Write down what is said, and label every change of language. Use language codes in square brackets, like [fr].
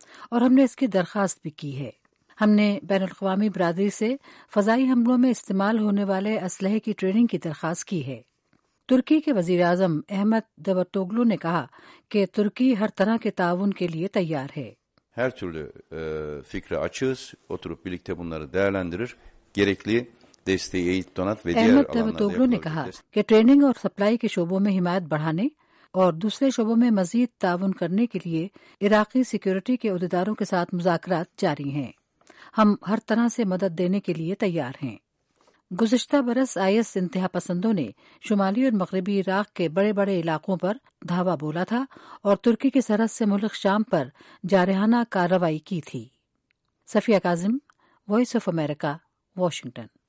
[ur] اور ہم نے اس کی درخواست بھی کی ہے۔ ہم نے بین الاقوامی برادری سے فضائی حملوں میں استعمال ہونے والے اسلحے کی ٹریننگ کی درخواست کی ہے۔ ترکی کے وزیر اعظم احمد داوتوغلو نے کہا کہ ترکی ہر طرح کے تعاون کے لیے تیار ہے۔ [tr] ہر türlü fikre açığız, oturup birlikte bunları değerlendirir, gerekli desteği eğit donat ve diğer [ur] Ahmad داوتوغلو نے کہا کہ ٹریننگ اور سپلائی کے شعبوں میں حمایت بڑھانے اور دوسرے شعبوں میں مزید تعاون کرنے کے لیے عراقی سیکیورٹی کے عہدیداروں کے ساتھ مذاکرات جاری ہیں، ہم ہر طرح سے مدد دینے کے لیے تیار ہیں۔ گزشتہ برس IS انتہا پسندوں نے شمالی اور مغربی عراق کے بڑے بڑے علاقوں پر دھاوا بولا تھا اور ترکی کی سرحد سے ملک شام پر جارحانہ کارروائی کی تھی۔ Safia Kazim, voice of America, Washington.